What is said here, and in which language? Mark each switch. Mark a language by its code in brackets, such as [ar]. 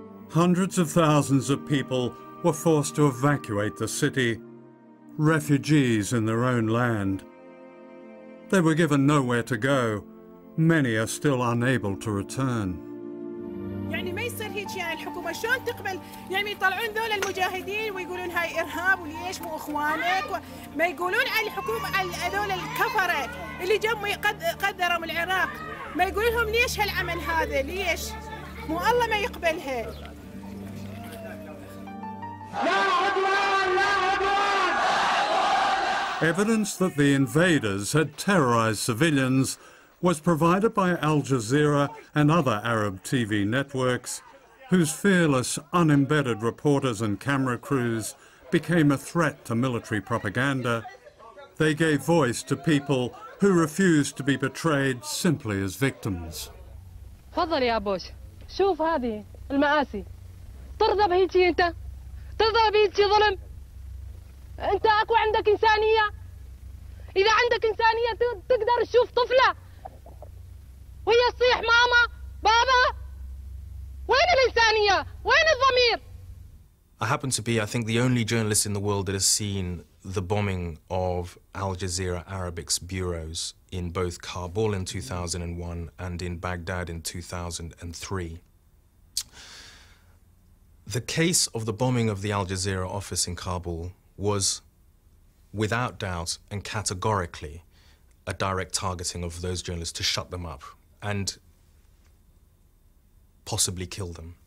[en] Hundreds of thousands of people were forced to evacuate the city, refugees in their own land. They were given nowhere to go. Many are still unable to return. [ar] يعني ما يصير هيك يعني الحكومة شلون تقبل يعني يطلعون ذول المجاهدين ويقولون هاي إرهاب وليش مو إخوانك وما يقولون على الحكومة على ذول الكفرة اللي جم قدروا من العراق ما يقولهم ليش هالعمل هذا ليش مو الله ما يقبلها لا عدوان لا عدوان [en] Evidence that the invaders had terrorized civilians was provided by Al Jazeera and other Arab TV networks, whose fearless, unembedded reporters and camera crews became a threat to military propaganda. They gave voice to people who refused to be portrayed simply as victims. [ar] تفضل يا بوش شوف هذه المآسي ترضى بهيجي انت ترضى بهيجي ظلم انت اكو عندك انسانيه اذا عندك انسانيه تقدر تشوف طفله وهي تصيح ماما بابا وين الإنسانية؟ وين الضمير؟ [en] I happen to be, I think, the only journalist in the world that has seen the bombing of Al Jazeera Arabic's bureaus in both Kabul in 2001 and in Baghdad in 2003. The case of the bombing of the Al Jazeera office in Kabul was without doubt and categorically a direct targeting of those journalists to shut them up and possibly kill them.